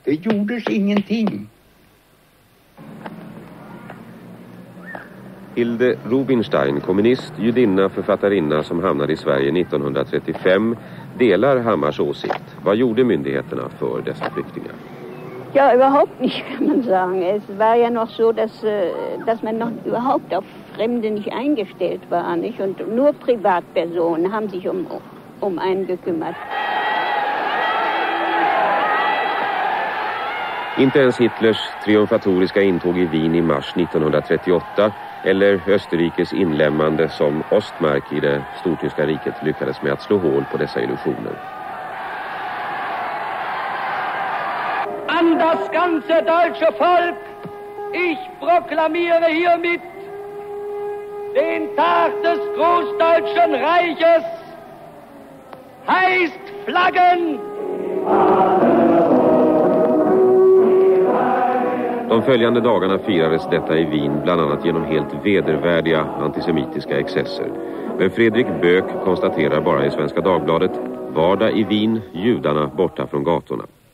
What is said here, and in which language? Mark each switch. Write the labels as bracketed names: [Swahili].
[Swedish] Det gjordes ingenting. Hilde Rubinstein, kommunist, judinna, författarinna som hamnade i Sverige 1935, delar Hammars åsikt. Vad gjorde myndigheterna för dessa flyktingar? [German] Ja, überhaupt nicht, kann man sagen. Es war ja noch so, dass man noch überhaupt auf Fremde nicht eingestellt war, nicht? Und nur Privatpersonen haben sich um einen gekümmert. [Swedish] Inte ens Hitlers triumfatoriska intåg i Wien i mars 1938 eller Österrikes inlämmande som Ostmark i det stortyska riket lyckades med att slå hål på dessa illusioner. [German] Das ganze deutsche Volk, ich proklamiere hiermit den Tag des Großdeutschen Reiches, heißt Flaggen. [Swedish] De följande dagarna firades detta i Wien bland annat genom helt vedervärdiga antisemitiska excesser. Men Fredrik Böök konstaterar bara i Svenska Dagbladet: vardag i Wien, judarna borta från gatorna.